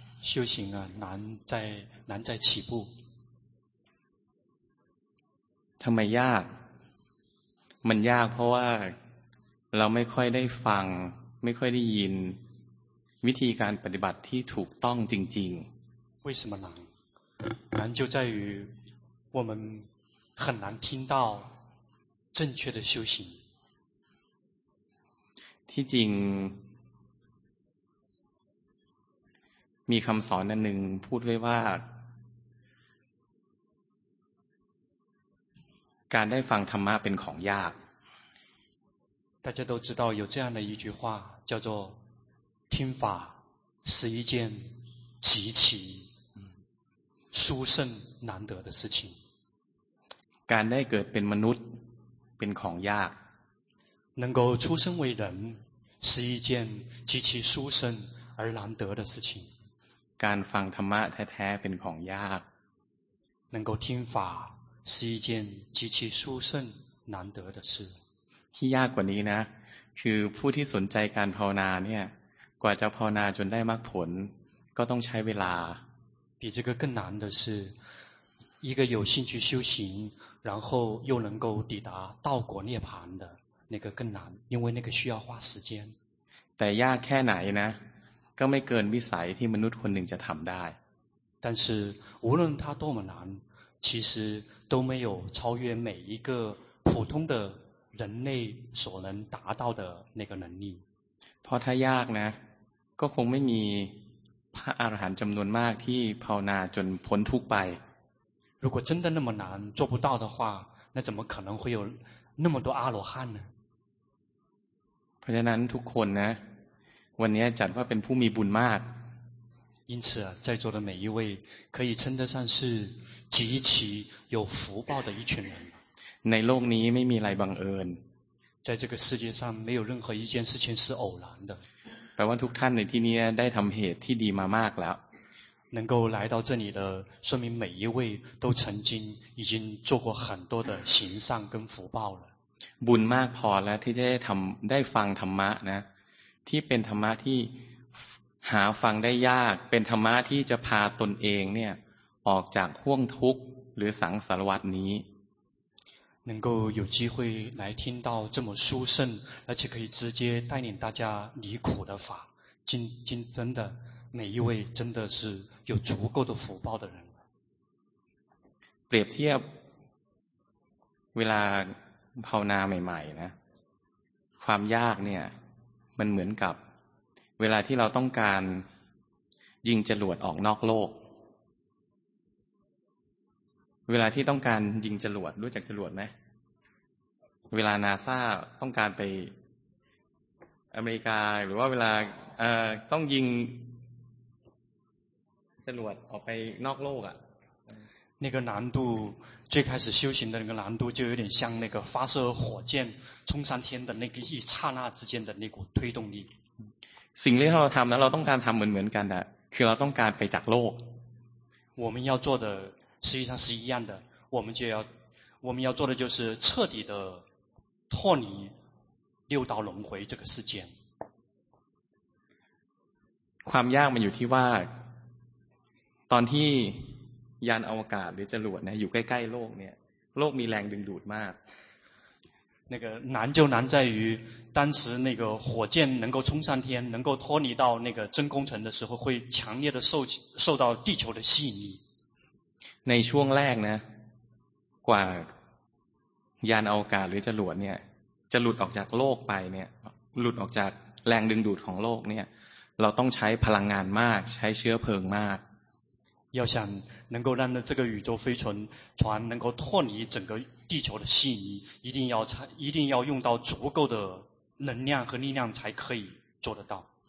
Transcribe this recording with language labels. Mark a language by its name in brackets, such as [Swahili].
[Chinese] 修行啊难在起步 [Thai] ทำไมยากมันยากเพราะว่าเราไม่ค่อยได้ฟังไม่ค่อยได้ยินวิธีการปฏิบัติที่ถูกต้องจริง [Chinese] ๆ为什么难难就在于我们很难听到正确的修行 [Thai] ที่จริงมีคำสอนหนึ่งพูดไว้ว่าการได้ฟังธรรมะเป็นของยาก [Chinese] 大家都知道有这样的一句话叫做听法是一件极其殊胜难得的事情 [Thai] การได้เกิดเป็นมนุษย์เป็นของยาก [Chinese] 能够出生为人是一件极其殊胜而难得的事情 [Thai] การฟังธรรมะแท้ๆเป็นของยาก [Chinese] 能够听法是一件极其殊胜难得的事 [Thai] ที่ยากกว่านี้นะคือผู้ที่สนใจการภาวนาเนี่ยกว่าจะภาวนาจนได้มรรคผลก็ต้องใช้เวลา [Chinese] 比这个更难的是一个有兴趣修行然后又能够抵达道果涅槃的那个更难因为那个需要花时间 [Thai] แต่ยากแค่ไหนนะก็ไม่เกินวิสัยที่มนุษย์คนหนึ่งจะทำได้ [Chinese] 但是无论它多么难其实都没有超越每一个普通的人类所能达到的那个能力 [Thai] เพราะถ้ายากนะก็คงไม่มีพระอรหันต์จำนวนมากที่ภาวนาจนพ้นทุกข์ไป [Chinese] 如果真的那么难做不到的话那怎么可能会有那么多阿罗汉呢 [Thai] เพราะฉะนั้นทุกคนนะวันนี้จัดว่าเป็นผู้มีบุญมาก [Chinese] 因此在座的每一位可以称得上是极其有福报的一群人 [Thai] ในโลกนี้ไม่มีอะไรบังเอิญ [Chinese] 在这个世界上没有任何一件事情是偶然的 [Thai] แปลว่าทุกท่านในที่นี้ได้ทำเหตุที่ดีมามากแล้ว [Chinese] 能够来到这里的说明每一位都曾经已经做过很多的行善跟福报了 [Thai] บุญมากพอแล้วที่จะได้ทำได้ฟังธรรมะนะที่เป็นธรรมะที่หาฟังได้ยากเป็นธรรมะที่จะพาตนเองเนี่ยออกจากห้วงทุกข์หรือสังสารวัฏนี้ [Chinese] 能够有机会来听到这么殊胜而且可以直接带领大家离苦的法今真的每一位真的是有足够的福报的人 [Thai] เปรียบเทียบเวลาภาวนาใหม่ๆนะความยากเนี่ยมันเหมือนกับเวลาที่เราต้องการยิงจรวดออกนอกโลกเวลาที่ต้องการยิงจรวดรู้จักจรวดไหมเวลานาซาต้องการไปอเมริกาหรือว่าเวลาต้องยิงจรวดออกไปนอกโลกอ่ะ [Chinese] 那个难度最开始修行的那个难度就有点像那个发射火箭冲上天的那个一刹那之间的那股推动力 [Thai] สิ่งที่เราทำนะเราต้องการทำเหมือนกันนะคือเราต้องการไปจากโลก [Chinese] 我们要做的实际上是一样的我们要做的就是彻底的脱离六道轮回这个世间 [Thai] ความยากมันอยู่ที่ว่าตอนที่ยานอวกาศหรือจรวดเนี่ยอยู่ใกล้ๆโลกเนี่ยโลกมีแรงดึงดูดมาก [Chinese] 那个难就难在于当时那个火箭能够冲上天能够脱离到那个真空层的时候会强烈的受到地球的吸引力 [Thai] ในช่วงแรกนะกว่ายานอวกาศหรือจรวดเนี่ยจะหลุดออกจากโลกไปเนี่ยหลุดออกจากแรงดึงดูดของโลกเนี่ยเราต้องใช้พลังงานมากใช้เชื้อเพลิงมาก [Chinese] 要想能够让这个宇宙飞船船能够脱离整个地球的吸引力一定要用到足够的能量和力量才可以做得到